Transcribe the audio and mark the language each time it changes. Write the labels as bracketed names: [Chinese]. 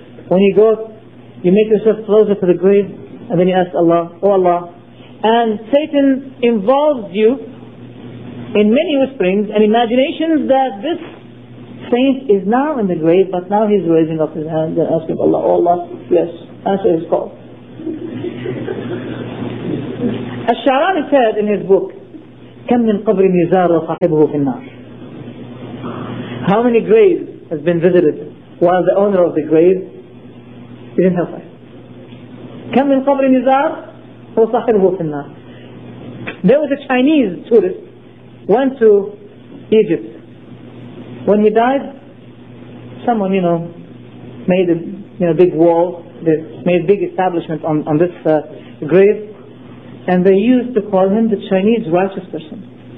[English] When you go, you make yourself closer to the grave, and then you ask Allah, oh Allah. And Satan involves you in many whisperings and imaginations that this saint is now in the grave, but now he's raising up his hands and asking Allah, oh Allah, yes, answer his call. [Arabic] الشعراني [English] said in his book, [Arabic] كم من قبر يزار صاحبه في النار. [English] How many graves has been visited while the owner of the grave is in hellfire? [Arabic] كم من قبر يزار صاحبه في النار. [English] There was a Chinese tourist went to Egypt. When he died, someone, you know, made a big wall. They made big establishment on this grave, and they used to call him the Chinese righteous person.